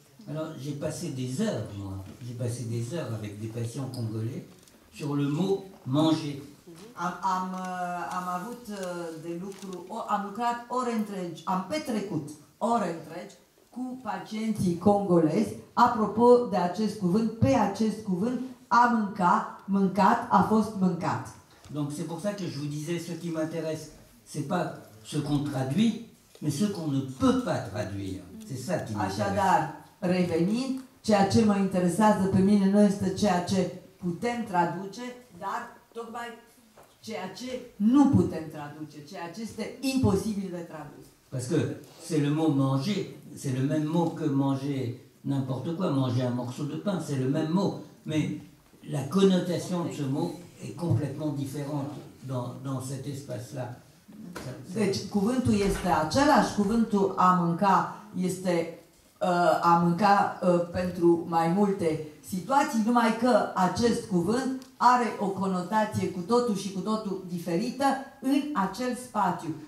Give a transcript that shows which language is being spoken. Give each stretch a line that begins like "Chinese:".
French: Alors, j'ai passé des heures, moi. J'ai passé des heures avec des patients congolais sur le mot manger.
Romanian: Am avut de lucru, am lucrat ore întregi, am petrecut ore întregi cu pacienții congolezi apropo de acest cuvânt, pe acest cuvânt, a mânca, mâncat, a fost mâncat.
French: Donc c'est pour ça que je vous disais ce qui m'intéresse, c'est pas ce qu'on traduit, mais ce qu'on ne peut pas traduire. C'est ça qui m'intéresse.
Romanian: Așadar, revenind, ceea ce mă interesează pe mine nu este ceea ce putem traduce, dar tocmai ceea ce nu putem traduce, ceea ce este imposibil de tradus.
French: Parce que c'est le mot manger, c'est le même mot que manger n'importe quoi, manger un morceau de pain, c'est le même mot, mais la connotation de ce mot est complètement différente dans cet espace-là.
Romanian: Deci cuvântul este același, cuvântul a mânca este a mânca pentru mai multe situații, numai că acest cuvânt are o conotație cu totul și cu totul diferită în acel spațiu.